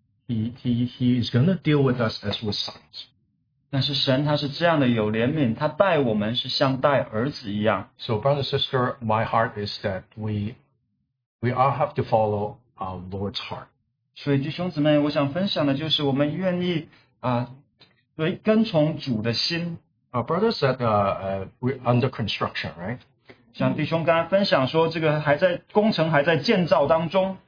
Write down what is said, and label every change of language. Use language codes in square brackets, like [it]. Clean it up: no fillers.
[en] He is going to deal with us as with sons. [zh] 但是神他是这样的有怜悯，他待我们是像待儿子一样。 [en] So brother and sister, my heart is that we all have to follow our Lord's heart. [zh] 所以弟兄姊妹，我想分享的就是我们愿意 跟从主的心。 [en] Our brother said we're under construction, right? [zh] 像弟兄刚刚分享说，这个还在工程，还在建造当中。